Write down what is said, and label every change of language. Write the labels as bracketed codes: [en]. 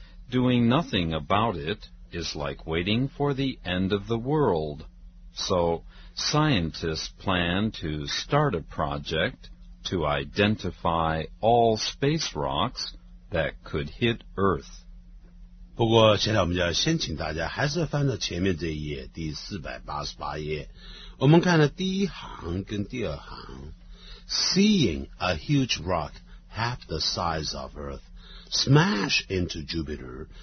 [en] Doing nothing about it is like waiting for the end of the world. So, scientists plan to start a project to identify all space rocks that could hit Earth. [zh] 不过现在我们要先请大家还是翻到前面这一页，第488页。我们看了第一行跟第二行。 [en] Seeing a huge rock. Half the size of Earth, smash into Jupiter.